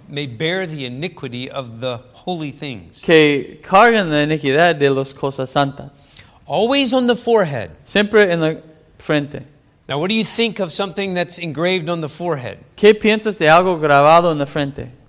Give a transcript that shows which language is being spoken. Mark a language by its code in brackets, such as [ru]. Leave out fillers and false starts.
[en] May bear the iniquity of the holy things. [es] Que cargan la iniquidad de las cosas santas. [en] Always on the forehead. [es] Siempre en la frente. [en] Now, what do you think of something that's engraved on the forehead? [es] ¿Qué piensas de algo grabado en la frente?